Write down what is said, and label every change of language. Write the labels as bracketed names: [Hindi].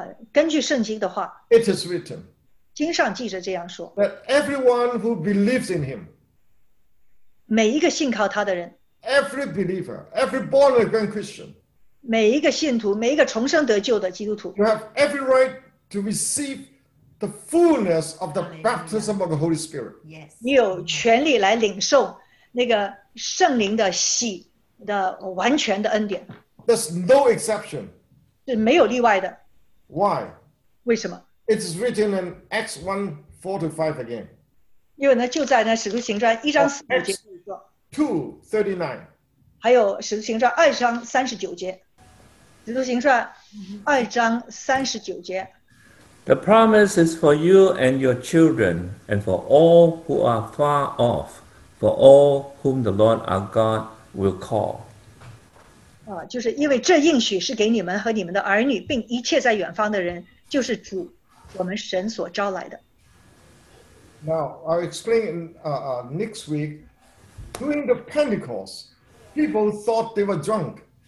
[Chinese] 根据圣经的话。 [English] It is written. [Chinese] 经上记着这样说。 [English] That everyone who believes in Him. [Chinese] 每一个信靠他的人。 [English] Every believer, every born again Christian. [Chinese] 每一个信徒，每一个重生得救的基督徒。 [English] You have every right to receive the fullness of the baptism of the Holy Spirit. Yes. [Chinese] 你有权利来领受那个圣灵的洗的完全的恩典. [English] There's no exception. [Chinese] 是没有例外的. [English] Why? [Chinese] 为什么? [English] It's written in Acts 1:4-5 again. [Chinese] 因为呢，就在那《使徒行传》一章四节。 [English] 2:39. [Chinese] 还有《使徒行传》二章三十九节。《使徒行传》二章三十九节。 [English] The promise is for you and your children, and for all who are far off, for all whom the Lord our God will call. [Chinese] 就是因为这应许是给你们和你们的儿女，并一切在远方的人，就是主，我们神所招来的. [English] Now I'll explain next week. During the Pentecost, people thought they were drunk.